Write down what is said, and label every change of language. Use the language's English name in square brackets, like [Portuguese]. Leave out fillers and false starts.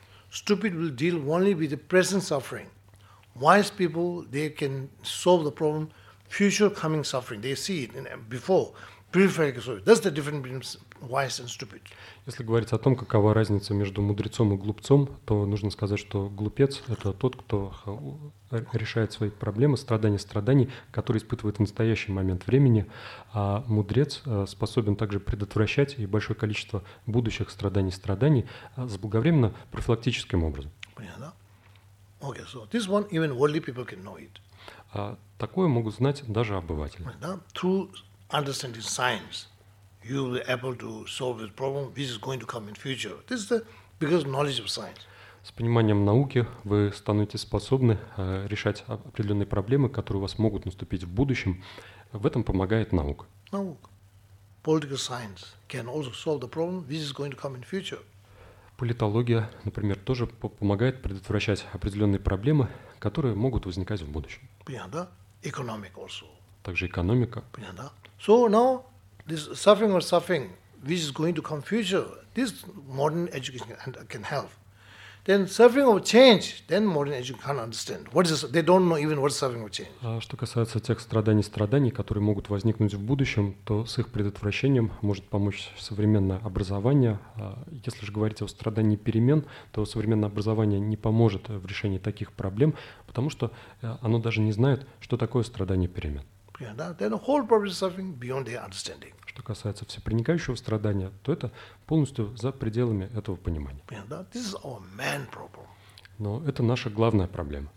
[English] Stupid will deal only with the present suffering. Wise people, they can solve the problem, future coming suffering. They see it before, periphery. So that's the difference between wise and stupid. [Russian] Если говорить о том, какова разница между мудрецом и глупцом, то нужно сказать, что глупец — это тот, кто решает свои проблемы, страдания страданий, которые испытывает в настоящий момент времени, а мудрец способен также предотвращать и большое количество будущих страданий страданий заблаговременно, профилактическим образом. Понятно. [English] Okay, so this one even worldly people can know it. [Russian] Такое могут знать даже обыватели. [English] Right, through understanding signs, you will be able to solve the problem, which is going to come in future. This is the because knowledge of science. [Russian] С пониманием науки вы становитесь способны решать определенные проблемы, которые у вас могут наступить в будущем. В этом помогает наука. Наука. [English] Political science can also solve the problem, which is going to come in future. [Russian] Политология, например, тоже помогает предотвращать определенные проблемы, которые могут возникать в будущем. Понятно, да? [English] Economic also. [Russian] Также экономика. Понятно, да? [English] So now, this suffering or suffering, which is going to come future, this modern education can help. Then suffering or change, then modern education can't understand. What is this? They don't know even what suffering or change. [Russian] Что касается тех страданий, которые могут возникнуть в будущем, то с их предотвращением может помочь современное образование. Если же говорить о страдании перемен, то современное образование не поможет в решении таких проблем, потому что оно даже не знает, что такое страдание перемен. [English] Yeah, then the whole problem is suffering beyond their understanding. [Russian] Что касается всепроникающего страдания, то это полностью за пределами этого понимания. [English] Yeah, this is our main problem. [Russian] Но это наша главная проблема.